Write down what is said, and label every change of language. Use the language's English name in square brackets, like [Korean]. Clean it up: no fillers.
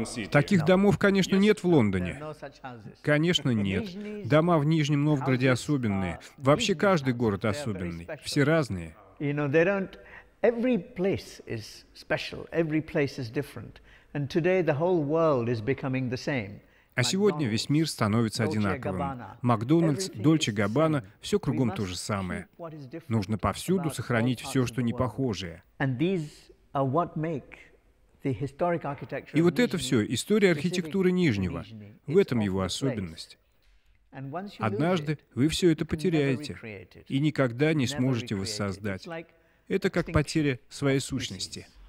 [Russian] Таких домов, конечно, нет в Лондоне. Конечно, нет. Дома в Нижнем Новгороде особенные. Вообще каждый город особенный. Все разные. [English] Every place is special, every place is different. And today the whole world is becoming the same. [Russian] А сегодня весь мир становится одинаковым. Макдональдс, Дольче Габбана, все кругом то же самое. Нужно повсюду сохранить все, что не похожее. [English] And these are what make the historic architecture. [Russian] И вот это все история архитектуры Нижнего. В этом его особенность. Однажды вы все это потеряете и никогда не сможете воссоздать. Это как потеря своей сущности.